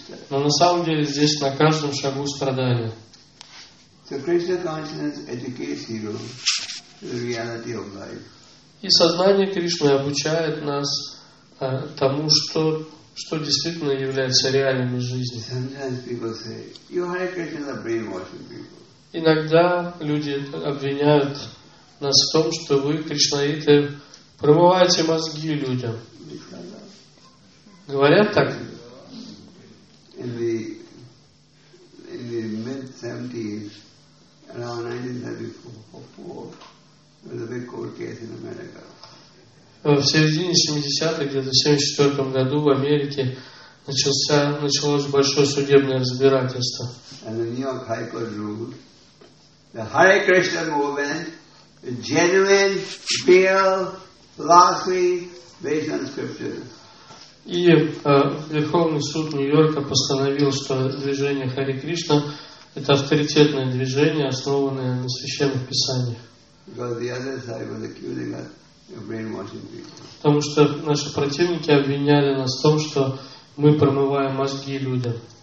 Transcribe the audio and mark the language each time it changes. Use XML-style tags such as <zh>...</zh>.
<ru>Но на самом деле здесь на каждом шагу страдания.</ru> <en>So Krishna consciousness educates you the reality of life.</en> <ru>И сознание Кришны обучает нас тому, что действительно является реальным в жизни.</ru> <en>Sometimes people say, you Hare Krishna are brainwashing people.</en> <ru>Иногда люди обвиняют нас в том, что вы, кришнаиты, промываете мозги людям. Говорят так?</ru> <en>In the mid-70s, around 1934, there was a big court case in America.</en> <ru>В середине 70-х, где-то в 74-м году в Америке началось большое судебное разбирательство.</ru> <en>And the New York High Court ruled the Hare Krishna movement genuine, real philosophy based on scripture.</en> <ru>И Верховный суд Нью-Йорка постановил, что движение Харе Кришна – это авторитетное движение, основанное на священных писаниях. Потому что наши противники обвиняли нас в том, что мы промываем мозги людям.</ru>